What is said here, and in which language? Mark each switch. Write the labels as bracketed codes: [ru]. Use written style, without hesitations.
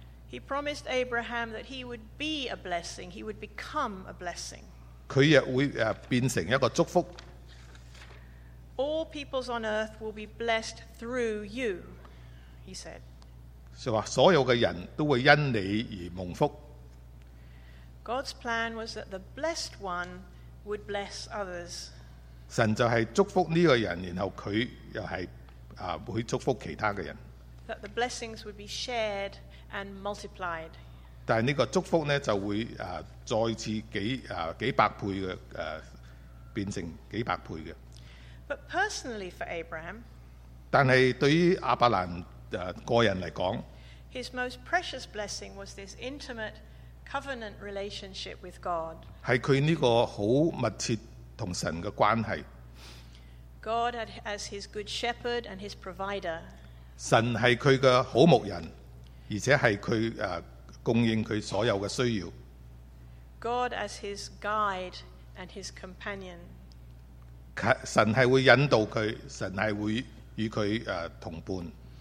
[en] He promised Abraham that he would be a blessing. He would become a blessing. [zh] 他也会变成一个祝福。 [en] All peoples on earth will be blessed through you, he said. [zh] 所有的人都会因你而蒙福。 [en] God's plan was that the blessed one would bless others. [zh] 神就是祝福这个人，然后他又是会祝福其他的人。 [en] That the blessings would be shared and multiplied. [zh] 但这个祝福呢就会再次几百倍的变成几百倍的。 [en] But personally for Abraham, [zh] 但是对于亚伯兰个人来讲， [en] His most precious blessing was this intimate covenant relationship with God. [zh] 是他这个很密切和神的关系。 [en] God had as his good shepherd and his provider. [zh] 神是他的好牧人，而且是他供应他所有的需要。 [en] God as his guide and his companion. [zh] 神是会引导他，神是会与他同伴。